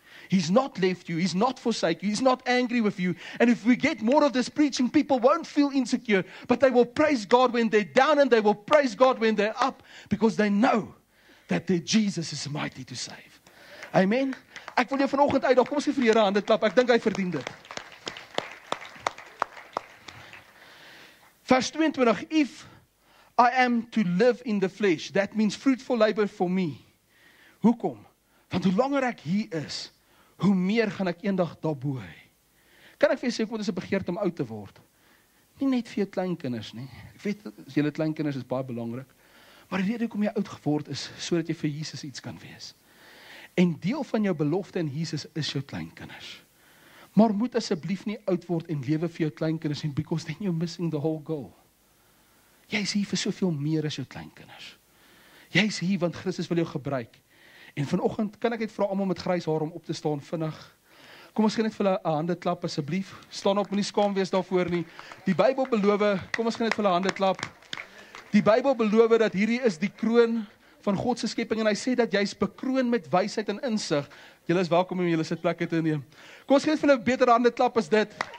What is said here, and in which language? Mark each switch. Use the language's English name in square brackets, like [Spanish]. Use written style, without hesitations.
[English] He's not left you, he's not forsake you, he's not angry with you, and if we get more of this preaching, people won't feel insecure, but they will praise God when they're down and they will praise God when they're up, because they know that their Jesus is mighty to save. Amen. [Afrikaans] Ek wil jou vanoggend uitdaag, kom ons gee vir die Here 'n hande klap, ek dink hy verdien dit. [English] Vers 22, if I am to live in the flesh, that means fruitful labor for me. [Afrikaans] Hoekom? Want hoe langer ek hier is, hoe meer gaan ek eendag daarbo. Kan ek vir jou sê, kom, dit is 'n begeerte om oud te word. Nie net vir jou kleinkinders nie. Ek weet, julle kleinkinders is baie belangrik. Maar die rede hoekom jy oud geword is, sodat jy vir Jesus iets kan wees. En deel van jou belofte in Jesus is jou kleinkinders. Maar moet asseblief nie oud word en lewe vir jou kleinkinders en [English] because then you're missing the whole goal. [Afrikaans] Jy is hier vir soveel meer as jou kleinkinders. Jy is hier want Christus wil jou gebruik. En vanoggend kan ek net vra almal met grys haar om op te staan vinnig. Kom ons gee net vir hulle 'n hande klap asseblief. Staan op, moenie skaam wees daarvoor nie. Die Bybel beloof, kom ons gee net vir hulle 'n hande klap. Die Bybel beloof dat hierdie is die kroon van God se skepping en hy sê dat jy is bekroon met wysheid en insig. Julle is welkom om julle sitplekke te neem. Kom ons gee vir hulle 'n beter hande klap as dit.